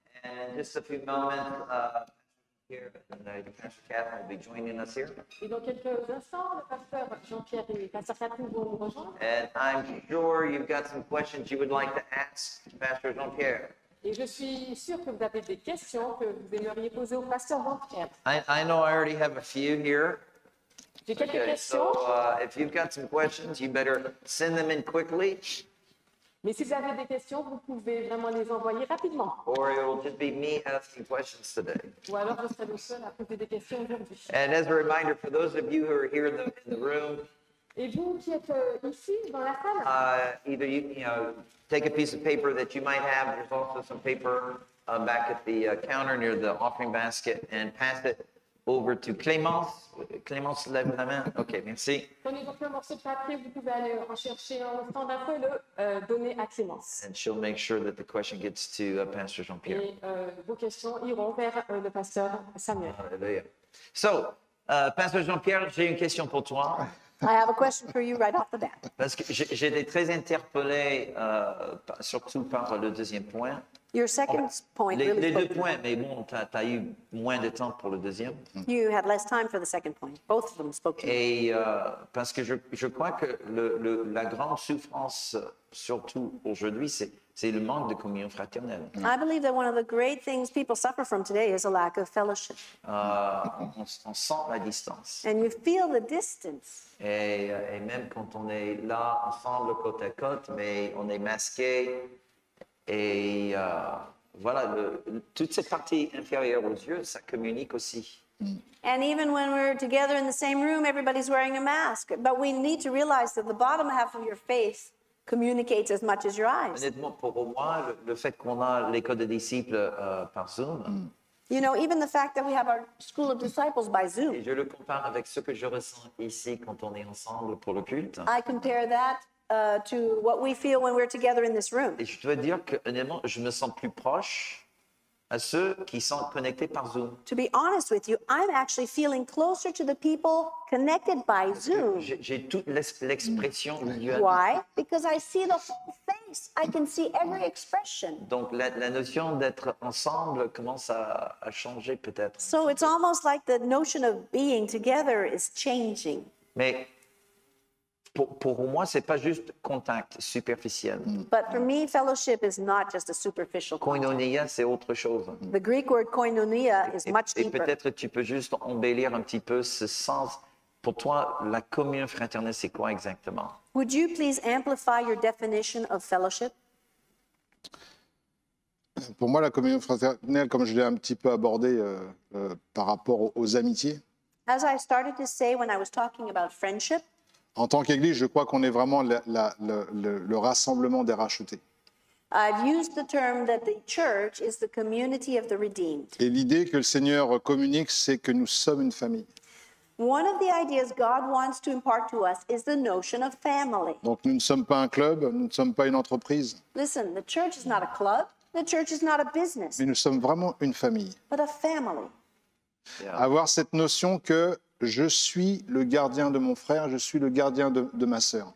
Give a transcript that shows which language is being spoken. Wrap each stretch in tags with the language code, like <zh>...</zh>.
<en>And just a few moments here, and Pastor Catherine will be joining us here.</en> <fr>Et dans quelques instants, le Pasteur Jean-Pierre et Pastor Catherine vont nous rejoindre.</fr> <en>And I'm sure you've got some questions you would like to ask Pastor Jean-Pierre.</en> <fr>Et je suis sûr que vous avez des questions que vous aimeriez poser au Pasteur Jean-Pierre.</fr> <en>I know I already have a few here.</en> <fr>J'ai quelques questions.</fr> <en>So if you've got some questions, you better send them in quickly.</en> <fr>Mais si vous avez des questions, vous pouvez vraiment les envoyer rapidement.</fr> <en>Or it will just be me asking questions today.</en> <fr>Ou alors je serai le seul à poser des questions aujourd'hui.</fr> <en>And as a reminder for those of you who are here in the room.</en> <fr>Et vous qui êtes ici dans la salle.</fr> <en>Either you know, take a piece of paper that you might have. There's also some paper back at the counter near the offering basket and pass it over to Clémence.</en> <fr>Clémence, lève la main. OK, merci. Prenez donc un morceau de papier, vous pouvez aller en chercher un stand d'après le donner à Clémence.</fr> <en>And she'll make sure that the question gets to Pastor Jean-Pierre.</en> <fr>Et vos questions iront vers le pasteur Samuel. Alléluia. So, Pastor Jean-Pierre, j'ai une question pour toi.</fr> <en>I have a question for you right off the bat.</en> <fr>Parce que j'ai été très interpellé, surtout par le deuxième point.</fr> <en>Your second point really spoke.</en> <fr>Les deux points, mais bon, t'as eu moins de temps pour le deuxième.</fr> <en>You had less time for the second point. Both of them spoke to me.</en> <fr>Et parce que je crois que la grande souffrance, surtout aujourd'hui, c'est le manque de communion fraternelle.</fr> <en>I believe that one of the great things people suffer from today is a lack of fellowship.</en> <fr>On sent la distance.</fr> <en>And you feel the distance.</en> <fr>Et même quand on est là ensemble côte à côte, mais on est masqué. Et voilà, toute cette partie inférieure aux yeux, ça communique aussi.</fr> <en>And even when we're together in the same room, everybody's wearing a mask. But we need to realize that the bottom half of your face communicates as much as your eyes.</en> <fr>Honnêtement, pour moi, le fait qu'on a l'école des disciples par Zoom.</fr> <en>You know, even the fact that we have our school of disciples by Zoom.</en> <fr>Et je le compare avec ce que je ressens ici quand on est ensemble pour le culte.</fr> <en>I compare that. To what we feel when we're together in this room.</en> <fr>Et je dois dire que honnêtement, je me sens plus proche à ceux qui sont connectés par Zoom.</fr> <en>To be honest with you, I'm actually feeling closer to the people connected by Zoom.</en> <fr>J'ai toute l'expression.</fr> <en>Why? Because I see the whole face. I can see every expression.</en> <fr>Donc la notion d'être ensemble commence à changer peut-être.</fr> <en>So it's almost like the notion of being together is changing.</en> <fr>Mais pour moi, ce n'est pas juste contact superficiel.</fr> <en>But for me, fellowship is not just a superficial contact.</en> <fr>Koinonia, c'est autre chose.</fr> <en>The Greek word koinonia is much deeper.</en> <fr>Et peut-être tu peux juste embellir un petit peu ce sens. Pour toi, la communion fraternelle, c'est quoi exactement?</fr> <en>Would you please amplify your definition of fellowship?</en> <fr>Pour moi, la communion fraternelle, comme je l'ai un petit peu abordé par rapport aux amitiés.</fr> <en>As I started to say when I was talking about friendship,</en> <fr>en tant qu'Église, je crois qu'on est vraiment le rassemblement des rachetés.</fr> <en>I've used the term that the church is the community of the redeemed.</en> <fr>Et l'idée que le Seigneur communique, c'est que nous sommes une famille.</fr> <en>One of the ideas God wants to impart to us is the notion of family.</en> <fr>Donc nous ne sommes pas un club, nous ne sommes pas une entreprise.</fr> <en>Listen, the church is not a club, the church is not a business.</en> <fr>Mais nous sommes vraiment une famille.</fr> <en>But a family. Yeah.</en> <fr>Avoir cette notion que je suis le gardien de mon frère, je suis le gardien de ma sœur.</fr>